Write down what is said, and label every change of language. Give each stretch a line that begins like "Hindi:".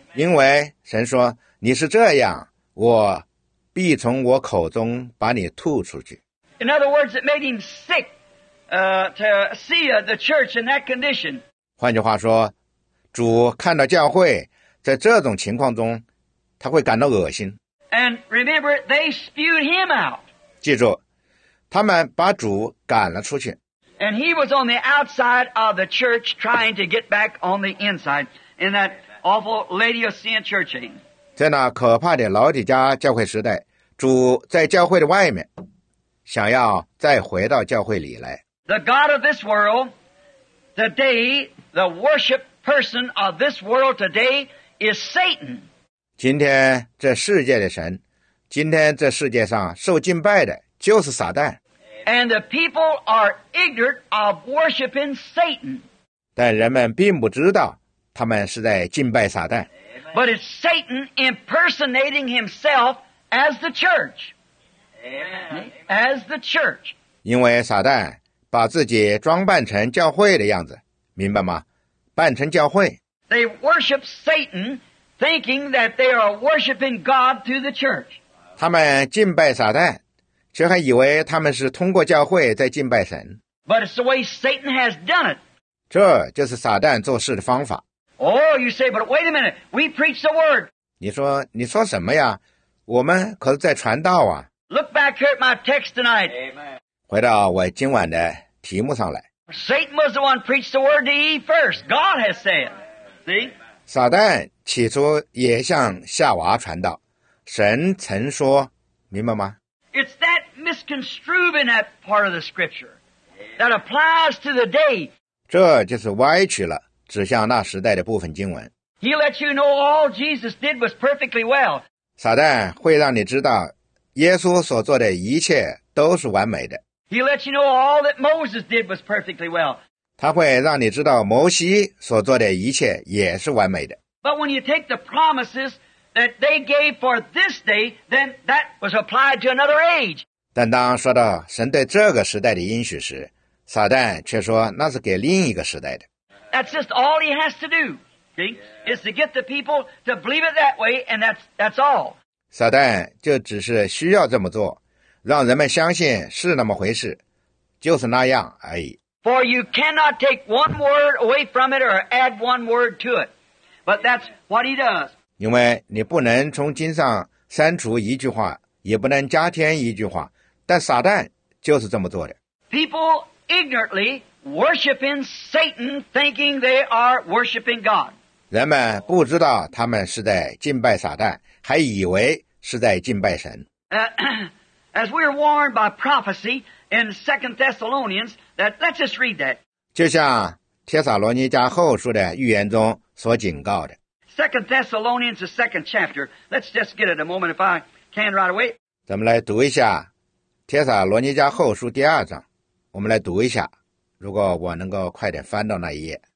Chinese: 因为神说你是这样，我必从我口中把你吐出去。
English: In other words, it made him sick, to see the church in that condition.
Chinese: 换句话说，主看到教会在这种情况中，他会感到恶心。
English: And remember, they spewed him out.
Chinese: 记住，他们把主赶了出去。
English: And he was on the outside of the church trying to get back on the inside in that awful Laodicean church.
Chinese: 在那可怕的老底家教会时代，主在教会的外面，想要再回到教会里来。
English: The God of this world, today, the worship person of this world today is Satan.
Chinese: 今天这世界的神，今天这世界上受敬拜的就是撒旦。
English: And the people are ignorant of worshiping Satan.
Chinese: 但人们并不知道他们是在敬拜撒旦。
English: But it's Satan impersonating himself as the church. As the church.
Chinese: 因为撒旦把自己装扮成教会的样子，明白吗？扮成教会。
English: They worship Satan thinking that they are worshiping God through the church.
Chinese: 他们敬拜撒旦，却还以为他们是通过教会在敬拜神。
English: But it's the way Satan has done it.
Chinese: 这就是撒旦做事的方法。
English: Oh, you say, but wait a minute, we preach the word.
Chinese: 你说什么呀？我们可是在传道啊。
English: Look back here at my text tonight. Amen.
Chinese: 回到我今晚的题目上来。
English: Satan was the one preached the word to Eve first. God has said. See?
Chinese: 撒旦起初也向夏娃传道，神曾说，明白吗？
English: It's that misconstrued in that part of the scripture that applies to the day.
Chinese: 这就是歪曲了，指向那时代的部分经文。
English: He lets you know all Jesus did was perfectly well.
Chinese: 撒旦会让你知道耶稣所做的一切都是完美的。
English: He lets you know all that Moses did was perfectly well.
Chinese: 他会让你知道摩西所做的一切也是完美的。
English: But when you take the promises that they gave for this day, then that was applied to another age.
Chinese: 但当说到神对这个时代的应许时，撒旦却说那是给另一个时代的。
English: That's just all he has to do, see? Is to get the people to believe it that way, and that's all.
Chinese: 撒旦就只是需要这么做，让人们相信是那么回事，就是那样而已。
English: For you cannot take one word away from it or add one word to it. But that's what he does.
Chinese: 因为你不能从经上删除一句话，也不能加添一句话，但撒旦就是这么做的。
English: People ignorantly worshiping Satan, thinking they are worshiping God.
Chinese: 人们不知道他们是在敬拜撒旦，还以为是在敬拜神。
English: As we are warned by prophecy in 2 Thessalonians, that let's just read that.
Chinese: 就像帖撒罗尼迦后书的预言中所警告的。
English: Second Thessalonians, the second chapter. Let's just get it a moment if I can right away.
Chinese: 咱们来读一下《帖撒罗尼迦后书》第二章。我们来读一下，如果我能够快点翻到那一页。